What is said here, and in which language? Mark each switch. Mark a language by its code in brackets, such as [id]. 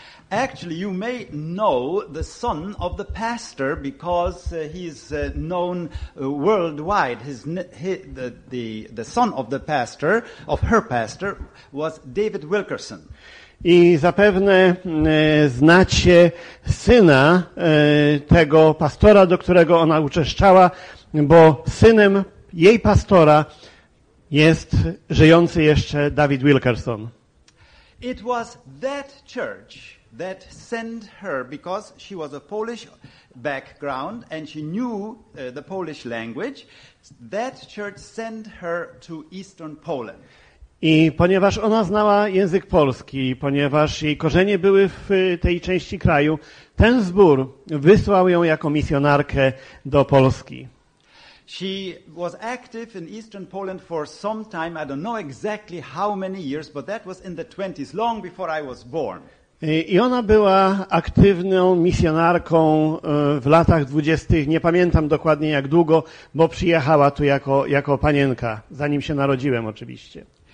[en] Actually, you may know the son of the pastor because he is known worldwide. The son of the pastor, of her pastor, was David Wilkerson. [pl] I zapewne znacie syna tego pastora, do którego ona uczęszczała, bo synem jej pastora jest żyjący jeszcze David Wilkerson. [en] It was that church that sent her, because she was a Polish background and she knew the Polish language, that church sent her to Eastern Poland. [pl] I ponieważ ona znała język polski, ponieważ jej korzenie były w tej części kraju, ten zbór wysłał ją jako misjonarkę do Polski. [en] She was active in Eastern Poland for some time, I don't know exactly how many years, but that was in the 20s, long before I was born. [pl] I ona była aktywną misjonarką w latach 20. Nie pamiętam dokładnie jak długo, bo przyjechała tu jako panienka, zanim się narodziłem oczywiście.